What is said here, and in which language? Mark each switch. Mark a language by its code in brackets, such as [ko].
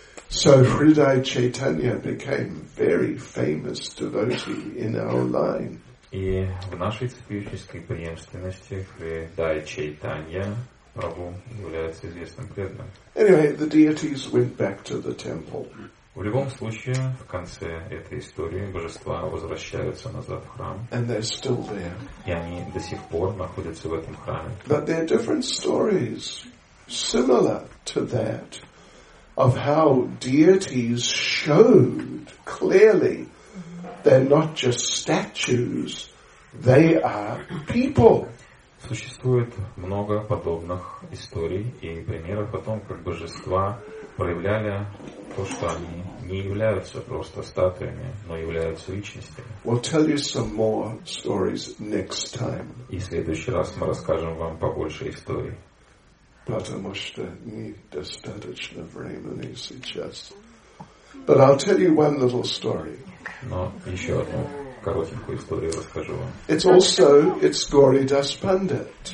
[en] So Hridai Chaitanya became very famous devotee in our line. [ru] И в нашей цепиющейской преемственности Хридай Чайтанья Прабу является известным преданным. [en] Anyway, the deities went back to the temple. [ru] В любом случае, в конце этой истории божества возвращаются назад в храм. [en] And they're still there. [ru] И они до сих пор находятся в этом храме. [en] But there are different stories similar to that of how deities showed clearly they're not just statues, they are people. [ru] Существует много подобных историй и примеров о том, как божества проявляли то, что они не являются просто статуями, но являются личностями. [en] We'll tell you some more stories next time. [ru] И в следующий раз мы расскажем вам побольше историй. Потому что недостаточно времени сейчас. [en] But I'll tell you one little story. [ru] Но еще одну коротенькую историю расскажу вам. [en] It's Goridas Pandit.